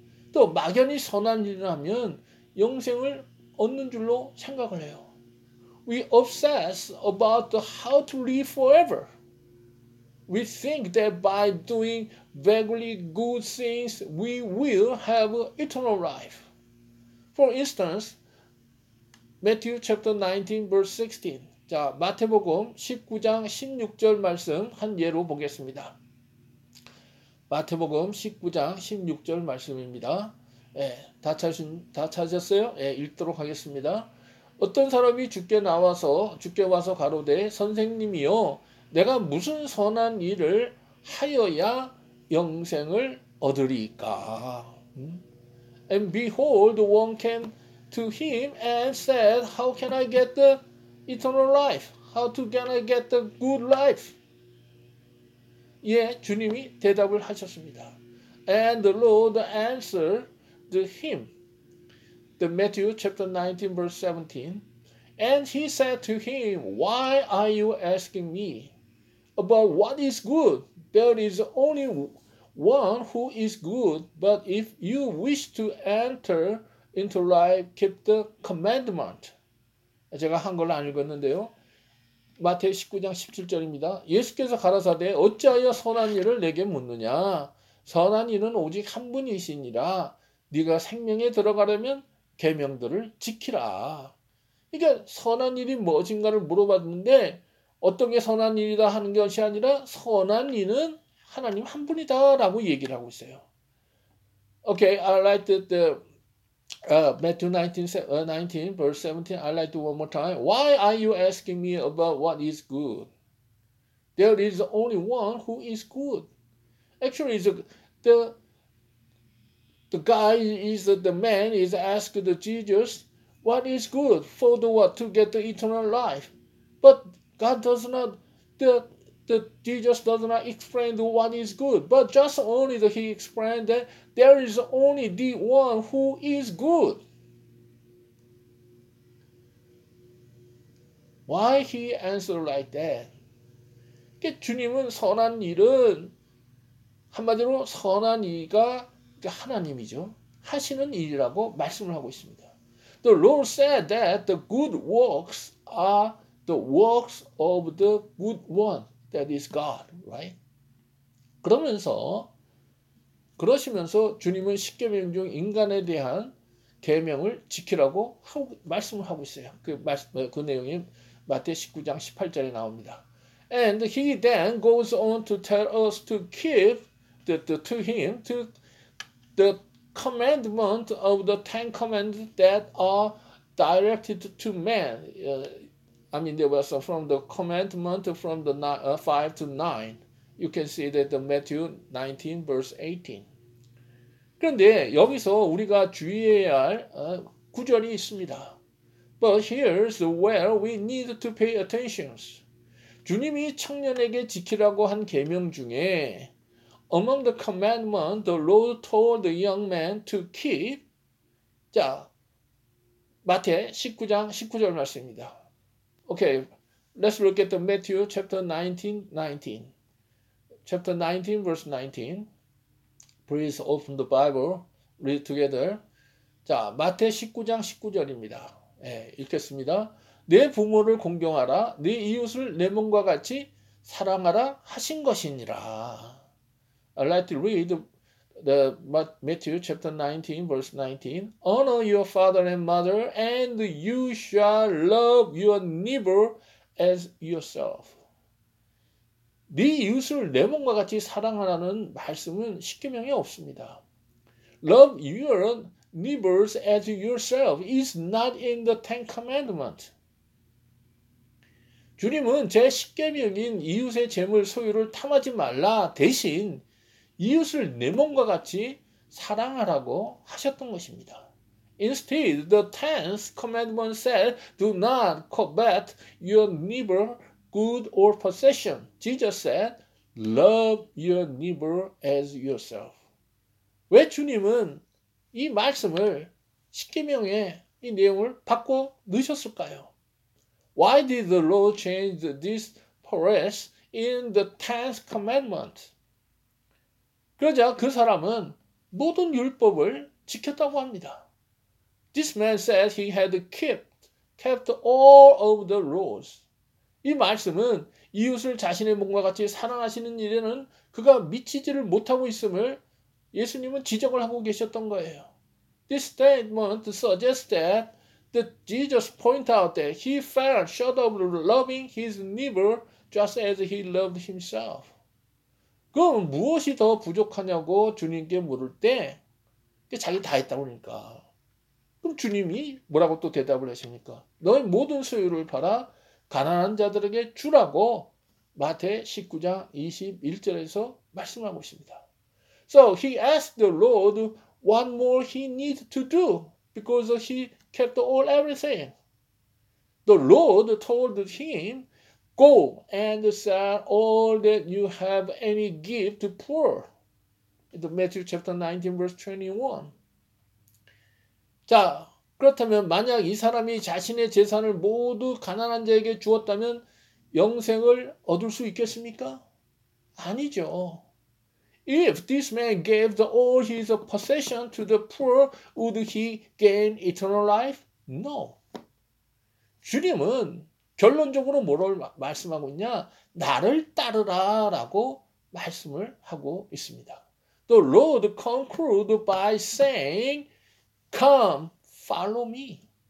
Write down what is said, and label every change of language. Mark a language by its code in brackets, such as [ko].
[ko] 또 막연히 선한 일을 하면 영생을 얻는 줄로 생각을 해요. [en] We obsess about how to live forever. We think that by doing vaguely good things, we will have eternal life. For instance, Matthew chapter 19, verse 16. [ko] 자, 마태복음 19장 16절 말씀 한 예로 보겠습니다. 마태복음 19장 16절 말씀입니다. 예, 다 찾으셨어요? 예, 읽도록 하겠습니다. 어떤 사람이 주께 와서 가로되 선생님이요, 내가 무슨 선한 일을 하여야 영생을 얻으리까? [en] And behold, one came to him and said, How can I get the eternal life? How can I get the good life? [ko] 예, 주님이 대답을 하셨습니다. [en] And the Lord answered him. The Matthew chapter 19 verse 17. And he said to him, Why are you asking me about what is good? There is only one who is good, but if you wish to enter into life, keep the commandment. [ko] 제가 한 걸 안 읽었는데요. 마태 19장 17절입니다. 예수께서 가라사대, 어찌하여 선한 일을 내게 묻느냐? 선한 이는 오직 한 분이시니라. 네가 생명에 들어가려면 계명들을 지키라. 그러니까 선한 일이 무엇인가를 물어봤는데 어떤 게 선한 일이다 하는 것이 아니라 선한 이는 하나님 한 분이다 라고 얘기를 하고 있어요. [en] Okay, I like that the Matthew 19 verse 17, I like to one more time. Why are you asking me about what is good? There is only one who is good. Actually, the man is asking the Jesus, what is good for the what? To get the eternal life. But God does not, the Jesus does not explain what is good, but just only that he explained that there is only the one who is good. Why he answered like that? [ko] 그러니까 주님은 선한 일은 한마디로 선한 이가 하나님이죠. 하시는 일이라고 말씀을 하고 있습니다. [en] The Lord said that the good works are the works of the good one, that is God, right? [ko] 그러시면서 주님은 십계명 중 인간에 대한 계명을 지키라고 말씀을 하고 있어요. 그 내용이 마태 19장 18절에 나옵니다. [en] And he then goes on to tell us to keep the commandment of the Ten Commandments that are directed to man. There was from the commandment from the 5 to 9. You can see that the Matthew 19 verse 18. [ko] 그런데 여기서 우리가 주의해야 할 구절이 있습니다. [en] But here's where we need to pay attention. [ko] 주님이 청년에게 지키라고 한 계명 중에 [en] among the commandment the Lord told the young man to keep [ko] 자 마태 19장 19절 말씀입니다. [en] Okay, let's look at the Matthew chapter 19. Chapter 19 verse 19. Please open the Bible, read together. [ko] 자, 마태 19장 19절입니다. 예, 읽겠습니다. 내 부모를 공경하라, 네 이웃을 내 몸과 같이 사랑하라 하신 것이니라. [en] I'd like to read the Matthew chapter 19 verse 19. Honor your father and mother, and you shall love your neighbor as yourself. [ko] 네 이웃을 내 몸과 같이 사랑하라는 말씀은 십계명에 없습니다. [en] Love your neighbors as yourself is not in the Ten Commandments. [ko] 주님은 제10계명인 이웃의 재물 소유를 탐하지 말라 대신 이웃을 내 몸과 같이 사랑하라고 하셨던 것입니다. [en] Instead, the 10th commandment said, Do not covet your neighbor good or possession. Jesus said, Love your neighbor as yourself. [ko] 왜 주님은 이 말씀을 10계명의 이 내용을 바꿔 넣으셨을까요? [en] Why did the Lord change this phrase in the 10th commandment? [ko] 그러자 그 사람은 모든 율법을 지켰다고 합니다. [en] This man said he had kept all of the laws. [ko] 이 말씀은 이웃을 자신의 몸과 같이 사랑하시는 일에는 그가 미치지를 못하고 있음을 예수님은 지적을 하고 계셨던 거예요. [en] This statement suggests that that Jesus pointed out that he fell short of loving his neighbor just as he loved himself. [ko] 그럼 무엇이 더 부족하냐고 주님께 물을 때 자기 다 했다고 그러니까 그럼 주님이 뭐라고 또 대답을 하십니까? 너의 모든 소유를 팔아 가난한 자들에게 주라고 마태 19장 21절에서 말씀하고 있습니다. [en] So he asked the Lord what more he needs to do because he kept all everything. The Lord told him, Go and sell all that you have and give to poor. The Matthew chapter 19 verse 21. [ko] 자, 그렇다면 만약 이 사람이 자신의 재산을 모두 가난한 자에게 주었다면 영생을 얻을 수 있겠습니까? 아니죠. [en] If this man gave all his possession to the poor, would he gain eternal life? No. [ko] 주님은 결론적으로 뭐를 말씀하고 있냐? 나를 따르라 라고 말씀을 하고 있습니다. [en] The Lord concludes by saying, Come, follow me.